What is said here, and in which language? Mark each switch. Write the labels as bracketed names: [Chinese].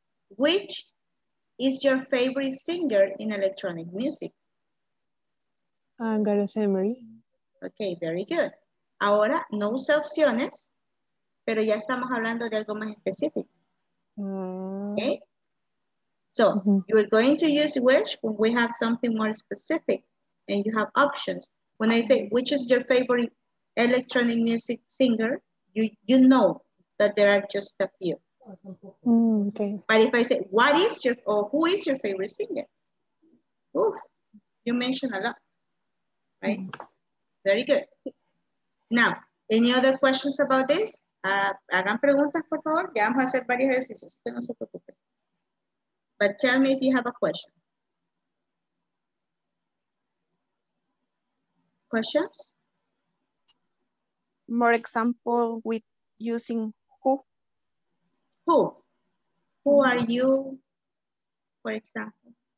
[English] Which is your favorite singer in electronic music? Gareth Emery. Okay, very good. [Spanish] Ahora, no usa opciones, pero ya estamos hablando de algo más específico. [English] Okay? So, you're going to use which when we have something more specific and you have options. When I say, which is your favorite electronic music singer, you know that there are just a few. Okay. But if I say, what is your, or who is your favorite singer? Oof, you mentioned a lot, right? Very good. Now, any other questions about this? [Spanish] Hagan preguntas, por favor. Ya vamos a hacer varios ejercicios, que no se preocupen. [English] But tell me if you have a question. Questions? More example with using who? Who? Who are you, for example?